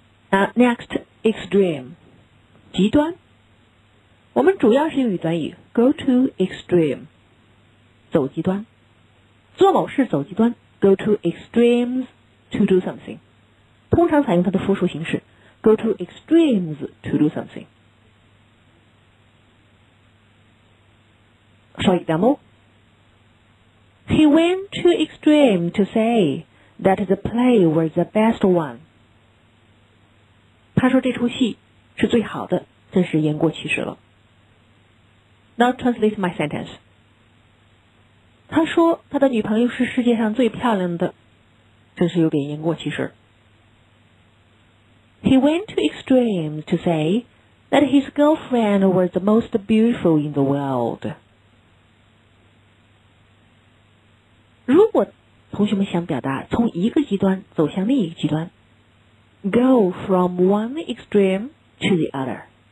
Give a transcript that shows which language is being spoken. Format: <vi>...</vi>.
<en>Next Extreme</en> <zh>极端我们主要是用于短语</zh> <en>Go to extreme</en> <zh>走极端做某事走极端</zh> <en>Go to extremes to do something</en> <zh>通常采用它的复数形式</zh> <en>Go to extremes to do something. For example, he went to extreme to say that the play was the best one.</en> <zh>他说这出戏是最好的，真是言过其实了。</zh> <en>Now translate my sentence.</en> <zh>他说他的女朋友是世界上最漂亮的，真是有点言过其实。</zh> <en>He went to extreme to say that his girlfriend was the most beautiful in the world.</en> <zh>如果同学们想表达从一个极端走向另一个极端</zh> <en>Go from one extreme to the other.</en>